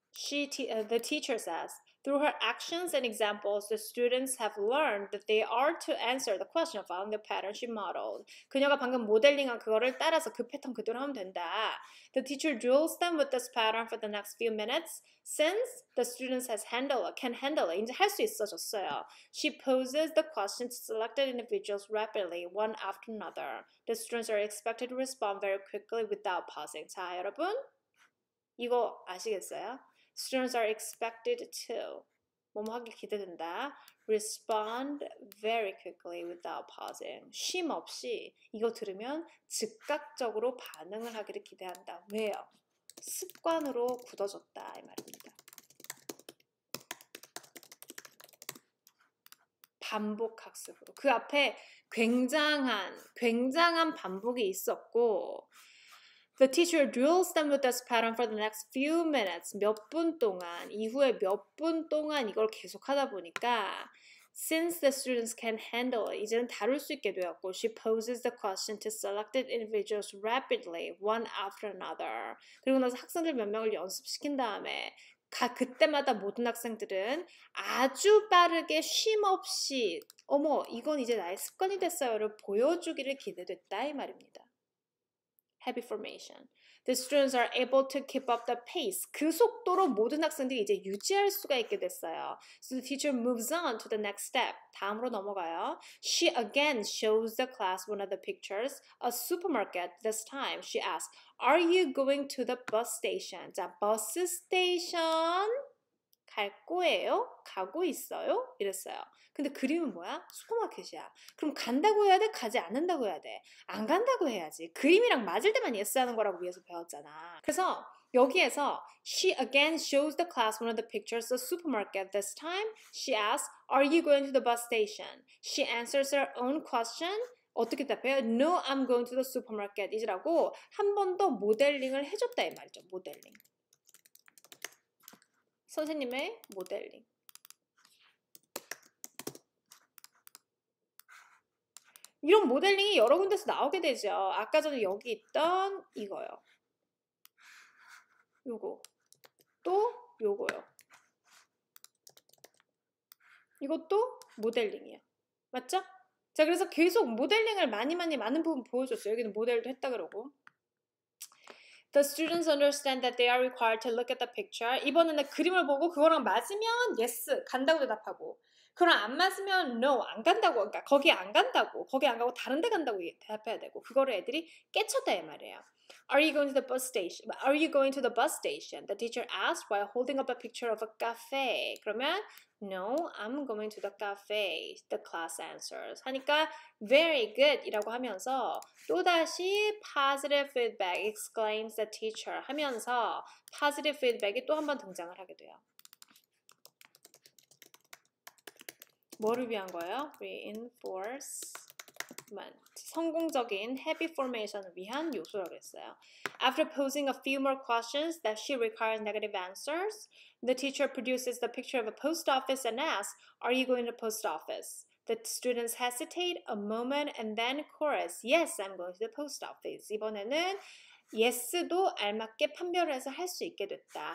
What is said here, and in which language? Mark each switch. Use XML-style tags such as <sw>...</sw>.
<en>The teacher says, Through her actions and examples, the students have learned that they are to answer the question following the pattern she modeled.</en> <ko>그녀가 방금 모델링한 그거를 따라서 그 패턴 그대로 하면 된다.</ko> <en>The teacher drills them with this pattern for the next few minutes. Since the students can handle it,</en> <ko>이제 할 수 있어졌어요.</ko> <en>She poses the question to selected individuals rapidly, one after another. The students are expected to respond very quickly without pausing.</en> <ko>자, 여러분, 이거 아시겠어요?</ko> <en>Students are expected to</en> <ko>뭐뭐 하길 기대된다.</ko> <en>Respond very quickly without pausing.</en> <ko>쉼 없이 이거 들으면 즉각적으로 반응을 하기를 기대한다. 왜요? 습관으로 굳어졌다 이 말입니다. 반복 학습으로 그 앞에 굉장한 반복이 있었고</ko> <en>The teacher drills them with this pattern for the next few minutes.</en> <ko>몇 분 동안, 이후에 몇 분 동안 이걸 계속하다 보니까</ko> <en>Since the students can handle it,</en> <ko>이제는 다룰 수 있게 되었고</ko> <en>She poses the question to selected individuals rapidly, one after another.</en> <ko>그리고 나서 학생들 몇 명을 연습시킨 다음에 그때마다 모든 학생들은 아주 빠르게 쉼 없이 어머, 이건 이제 나의 습관이 됐어요를 보여주기를 기대됐다 이 말입니다.</ko> <en>Happy formation. The students are able to keep up the pace.</en> <ko>그 속도로 모든 학생들이 이제 유지할 수가 있게 됐어요.</ko> <en>So the teacher moves on to the next step.</en> <ko>다음으로 넘어가요.</ko> <en>She again shows the class one of the pictures, a supermarket this time. She asks, Are you going to the bus station?</en> <ko>자, bus station 갈 거예요? 가고 있어요? 이랬어요. 근데 그림은 뭐야? 슈퍼마켓이야. 그럼 간다고 해야 돼? 가지 않는다고 해야 돼? 안 간다고 해야지. 그림이랑 맞을 때만 yes 하는 거라고 위에서 배웠잖아. 그래서 여기에서</ko> <en>She again shows the class one of the pictures of the supermarket this time. She asks, Are you going to the bus station? She answers her own question.</en> <ko>어떻게 답해요?</ko> <en>No, I'm going to the supermarket.</en> <ko>이라고 한 번 더 모델링을 해줬다 이 말이죠. 모델링. 선생님의 모델링. You modeling 여러 군데서 나오게 되죠. 아까 전에 여기 있던 이거요. 요거. 또 요거요. 이것도 모델링이에요. 맞죠? 자, 그래서 계속 모델링을 많이 많이 많은 부분 보여줬어요. 여기는 모델도 했다 그러고.</ko> <en>The students understand that they are required to look at the picture.</en> <ko>이번에는 그림을 보고 그거랑 맞으면 yes 간다고 대답하고 그럼 안 맞으면 no, 안 간다고, 그러니까 거기 안 간다고, 거기 안 가고 다른 데 간다고 대답해야 되고 그거를 애들이 깨쳤다 이 말이에요.</ko> <en>Are you going to the bus station? Are you going to the bus station? The teacher asked while holding up a picture of a cafe. 그러면 no, I'm going to the cafe. The class answers.</en> <ko>하니까 very good 이라고 하면서 또다시</ko> <en>positive feedback exclaims the teacher</en> <ko>하면서 positive feedback이 또 한 번 등장을 하게 돼요. 뭐를 위한 거예요? Reinforcement. 성공적인 happy formation을 위한 요소라고 했어요.</ko> <en>After posing a few more questions that she requires negative answers, the teacher produces the picture of a post office and asks, Are you going to the post office? The students hesitate a moment and then chorus, Yes, I'm going to the post office.</en> <ko>이번에는 yes도 알맞게 판별을 해서 할 수 있게 됐다.</ko>